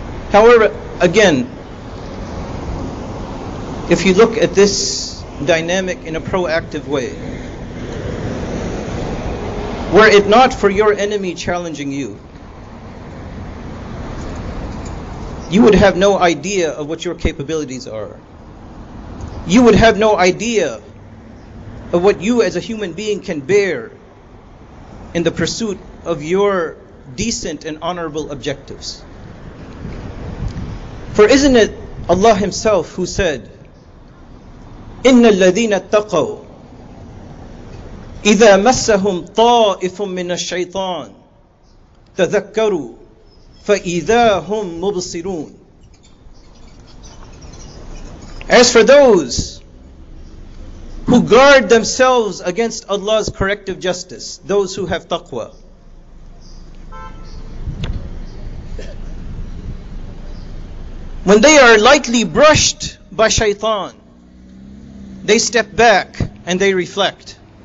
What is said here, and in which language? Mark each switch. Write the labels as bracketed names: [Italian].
[English] However, again, if you look at this dynamic in a proactive way, were it not for your enemy challenging you, you would have no idea of what your capabilities are. You would have no idea of what you as a human being can bear in the pursuit of your decent and honorable objectives. For isn't it Allah Himself who said, [Arabic] إِنَّ الَّذِينَ اتَّقَوْا إِذَا مَسَّهُمْ طَائِفٌ مِّنَ الشَّيْطَانِ تَذَكَّرُوا فَإِذَا هُمْ مُبْصِرُونَ. [English] As for those who guard themselves against Allah's corrective justice, those who have taqwa, when they are lightly brushed by shaitan, they step back and they reflect.